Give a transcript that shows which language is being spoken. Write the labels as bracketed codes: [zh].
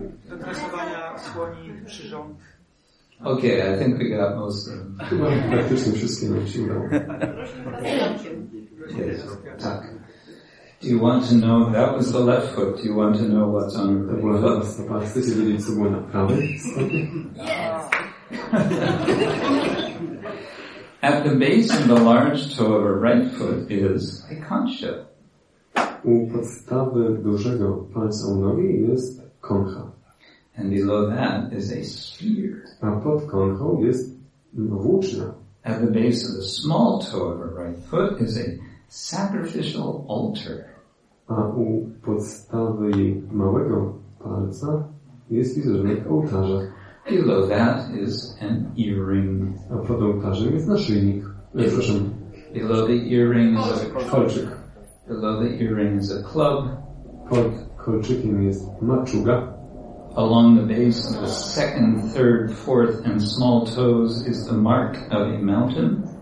[pl] Dotresowania słoni, przyrząd. [en] Okay, I think we got most of them. [pl] Praktycznie wszystkie nam się udało. Tak. [en] Do you want to know, that was the left foot, do you want to know what's on the right foot? [pl] To była lewa stopa. Chcecie co było na prawej stopie? [en] At the base of the large toe of her right foot is a conch shell. [pl] U podstawy dużego palca u nogi jest koncha. [en] And below that is a sphere. [pl] A pod konchą jest włócznia. [en] At the base of the small toe of her right foot is a sacrificial altar. [pl] A u podstawy małego palca jest wizerunek ołtarza. [en] Below that is an earring. [pl] A pod ołtarzem jest naszyjnik. Proszę. [en] Below the earring is a [pl] kolczyk. [en] Below the earring is a club. [pl] Pod kolczykiem jest maczuga. [en] Along the base of the second, third, fourth, and small toes is the mark of a mountain.